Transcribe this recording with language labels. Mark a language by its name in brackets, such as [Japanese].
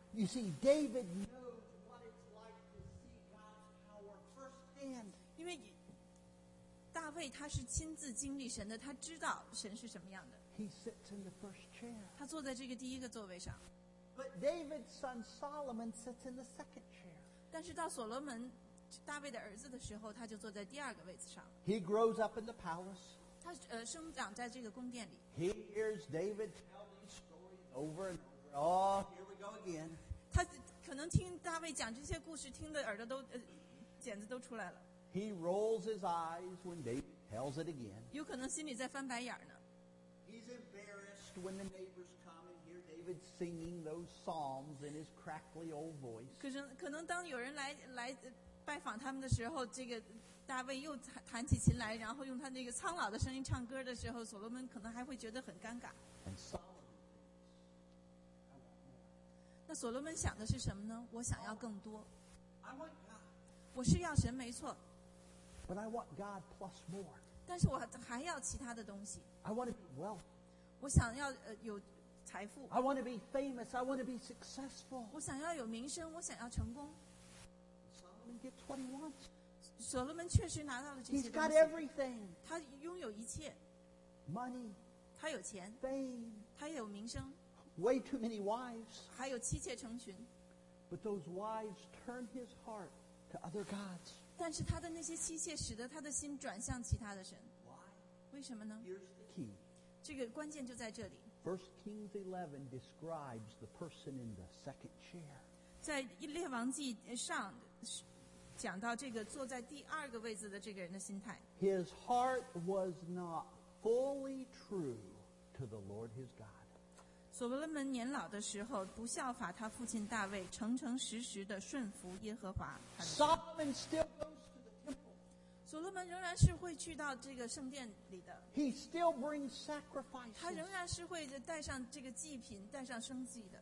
[English] You see, David knows what it's like to see God's power firsthand. [Chinese] 因为大卫他是亲自经历神的，他知道神是什么样的。 [English] He sits in the first chair. [Chinese] 他坐在这个第一个座位上。 [English] But David's son Solomon sits in the second chair. [Chinese] 但是到所罗门，大卫的儿子的时候，他就坐在第二个位置上。 [English] He grows up in the palace. [Chinese] 他生长在这个宫殿里。 [English] He hears David. Over and over. Oh, here we go again. [Chinese] 他可能听大卫讲这些故事，听的耳朵都茧子都出来了。 [English] He rolls his eyes when David tells it again. [Chinese] 有可能心里在翻白眼呢。 [English] He's embarrassed when the neighbors come and hear David singing those psalms in his crackly old voice. [Chinese] 可能当有人来拜访他们的时候，这个大卫又弹起琴来，然后用他那个苍老的声音唱歌的时候，所罗门可能还会觉得很尴尬。那所罗门想的是什么呢？我想要更多。 [English] I want God. [Chinese] 我是要神没错。 [English] But I want God plus more. [Chinese] 但是我还要其他的东西。 [English] I want to be wealthy. [Chinese] 我想要有财富。 [English] I want to be famous. I want to be successful. [Chinese] 我想要有名声，我想要成功。 [English] Solomon gets what he wants. [Chinese] 所罗门确实拿到了这些东西。 [English] He's got everything. [Chinese] 他拥有一切。 [English] Money. [Chinese] 他有钱。 [English] Fame. [Chinese] 他也有名声。 [English] Way too many wives. [Chinese] 还有妻妾成群。 [English] But those wives turn his heart to other gods. [Chinese] 但是他的那些妻妾使得他的心转向其他的神。 [English] Why? [Chinese] 为什么呢？ [English] Here's the key. [Chinese] 这个关键就在这里。 [English] 1 Kings 11 describes the person in the second chair. [Chinese] 在列王记上讲到这个坐在第二个位置的这个人的心态。 [English] His heart was not fully true to the Lord his God. [Chinese] 所罗门年老的时候不效法他父亲大卫诚诚实实的顺服耶和华 [English] Solomon still goes to the temple [Chinese] 所罗门仍然是会去到这个圣殿里的 [English] He still brings sacrifices [Chinese] 他仍然是会带上这个祭品带上生祭的